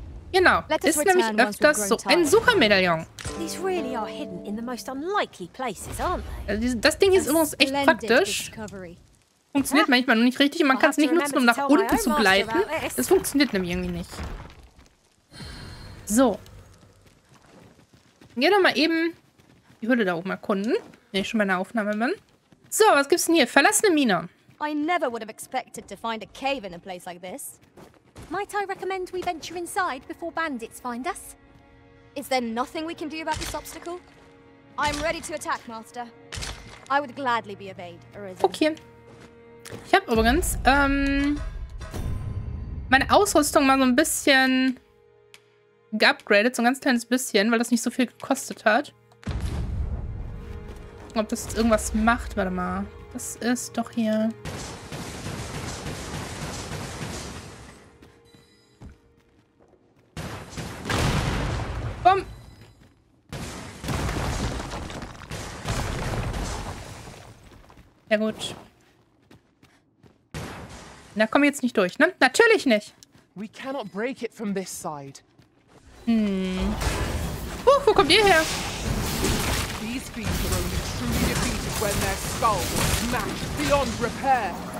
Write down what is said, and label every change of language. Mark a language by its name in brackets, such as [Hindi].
[German] Genau, ist nämlich öfters so ein Suchermedaillon. Also das Ding ist übrigens echt praktisch. Funktioniert manchmal noch nicht richtig und man kann es nicht nutzen, um nach unten zu gleiten. Es funktioniert nämlich irgendwie nicht. So. Gehen wir mal eben die Hülle da oben erkunden. Wenn ich schon bei einer Aufnahme bin. So, was gibt's denn hier? Verlassene Mine. [English] I never would have expected to find a cave in a place like this. Might I recommend we venture inside before bandits find us? Is there nothing we can do about this obstacle? I'm ready to attack, Master. I would gladly be obeyed, Arisen. Okay. [German] Ich habe übrigens meine Ausrüstung mal so ein bisschen geupgradet, so ein ganz kleines bisschen, weil das nicht so viel gekostet hat. Ob das jetzt irgendwas macht, warte mal. Das ist doch hier. Bumm. Ja gut. Da komme ich jetzt nicht durch, ne? Natürlich nicht. [English] We cannot break it from this side. [German] Hm. Wo kommt ihr her? [English] These fiends were only truly defeated when their skull was smashed beyond repair.